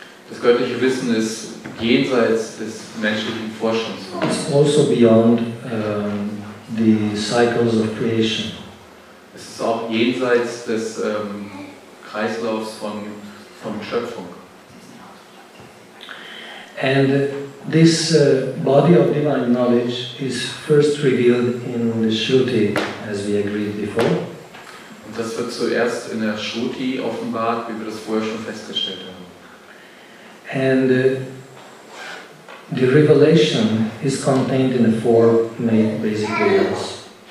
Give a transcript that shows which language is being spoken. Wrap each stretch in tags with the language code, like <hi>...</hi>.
<de>Das göttliche Wissen ist jenseits des menschlichen Forschens.</de> <en>It's also beyond the cycles of creation.</en> <de>Es ist auch jenseits des Kreislaufs von Schöpfung.</de> <en>And this body of divine knowledge is first revealed in the Shruti, as we agreed before.</en> <de>Das wird zuerst in der Shruti offenbart, wie wir das vorher schon festgestellt haben.</de> <en>And the revelation is contained in the four main basic Vedas.</en>